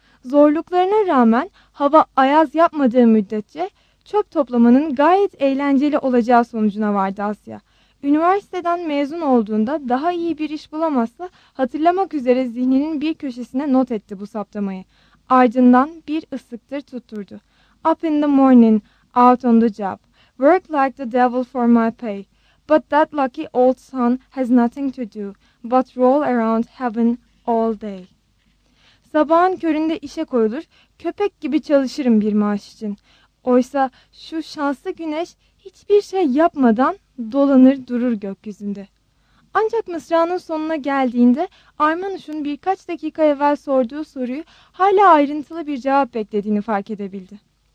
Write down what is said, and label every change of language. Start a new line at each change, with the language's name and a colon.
Turkish: Zorluklarına rağmen hava ayaz yapmadığı müddetçe çöp toplamanın gayet eğlenceli olacağı sonucuna vardı Asya. Üniversiteden mezun olduğunda daha iyi bir iş bulamazsa hatırlamak üzere zihninin bir köşesine not etti bu saptamayı. Ardından bir ıslıktır tutturdu.
English: Up in the morning, out on the job. Work like the devil for my pay. But that lucky old son has nothing to do but roll around heaven all day.
Turkish: Sabahın köründe işe koyulur, köpek gibi çalışırım bir maaş için. Oysa şu şanslı güneş hiçbir şey yapmadan dolanır durur gökyüzünde. Ancak mısranın sonuna geldiğinde Aymanuş'un birkaç dakika evvel sorduğu soruyu hala ayrıntılı bir cevap beklediğini fark edebildi.